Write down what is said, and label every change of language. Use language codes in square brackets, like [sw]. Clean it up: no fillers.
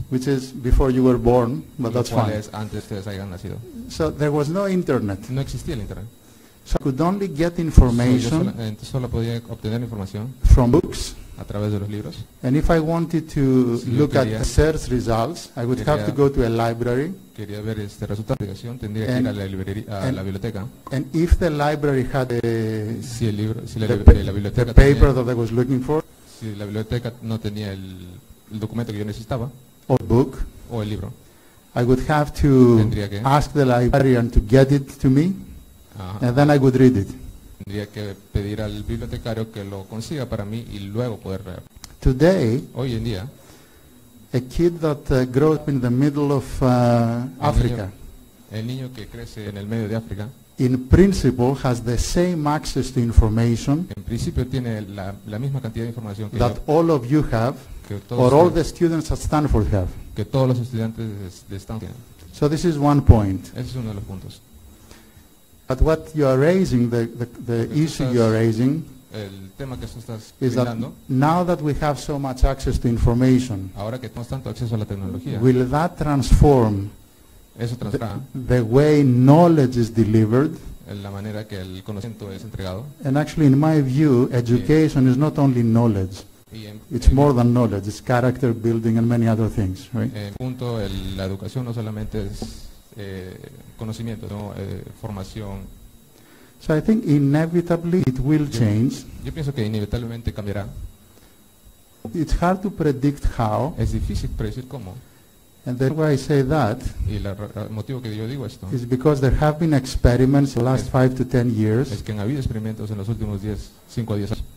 [en] which is before you were born, but that's fine. [es] Antes ustedes hayan nacido. [en] So there was no internet. [es] No existía el internet. [en] So I could only get information [es] solo podía obtener información [en] from books, [es] a través de los libros. [en] And if I wanted to look at CERS results, I would have to go to a library. [es] Quería ver este resultado de investigación, tendría que ir a la librería, a la biblioteca. [en] And if the library had [es] si la biblioteca [en] the paper that I was looking for, [es] si la biblioteca no tenía el documento que yo necesitaba, [en] or book, [es] o el libro, [en] I would have to ask the librarian to get it to me, and then I would read it. [es] Tendría que pedir al bibliotecario que lo consiga para mí y luego poder leer. [en] Today, [es] hoy en día, [en] a kid that grows up in the middle of Africa, [es] el niño que crece en el medio de África, [en] in principle has the same access to information, [es] en principio tiene la misma cantidad de información [en] that all of you have, or all the students at Stanford have, [es] que todos los estudiantes de Stanford. [en] So this is one point. [es] Ese es uno de los puntos. [en] But what you are raising, the issue you are raising, [es] el tema que estás [en] is that now that we have so much access to information, [es] ahora que tenemos tanto acceso a la tecnología, [en] will that transform the way knowledge is delivered? [es] La manera que el conocimiento es entregado. [en] And actually, in my view, education is not only knowledge. It's more than knowledge. It's character building and many other things, right? [es] En punto, la educación no solamente es conocimiento, no formación. [en] So I think inevitably it will change. [es] Yo pienso que inevitablemente cambiará. [en] It's hard to predict how. [es] Es difícil predecir cómo. [en] And that's why I say that. [es] Y el motivo que yo digo esto. [en] Is because there have been experiments the last 5 to 10 years. [es] Es que han habido experimentos en los últimos 5 a 10 años.